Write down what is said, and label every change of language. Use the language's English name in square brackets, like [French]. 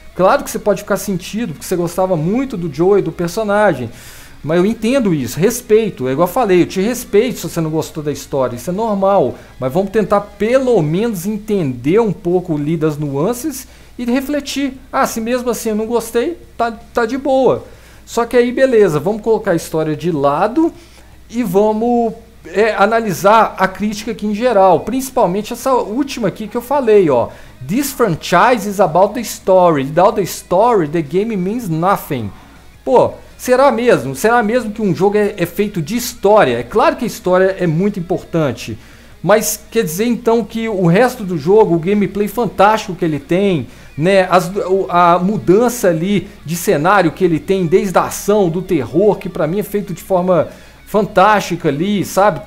[Portuguese] Claro que você pode ficar sentido, porque você gostava muito do Joel, do personagem, mas eu entendo isso, respeito, é igual eu falei, eu te respeito se você não gostou da história, isso é normal, mas vamos tentar pelo menos entender um pouco ali das nuances e refletir. Ah, se mesmo assim eu não gostei, tá de boa. Só que aí, beleza, vamos colocar a história de lado e vamos analisar a crítica aqui em geral. Principalmente essa última aqui que eu falei, ó. [English] This franchise is about the story. Without the story, the game means nothing. [Portuguese] Pô, será mesmo? Será mesmo que um jogo é feito de história? É claro que a história é muito importante. Mas quer dizer então que o resto do jogo, o gameplay fantástico que ele tem, né, a mudança ali de cenário que ele tem, desde a ação, do terror, que pra mim é feito de forma fantástica ali, sabe?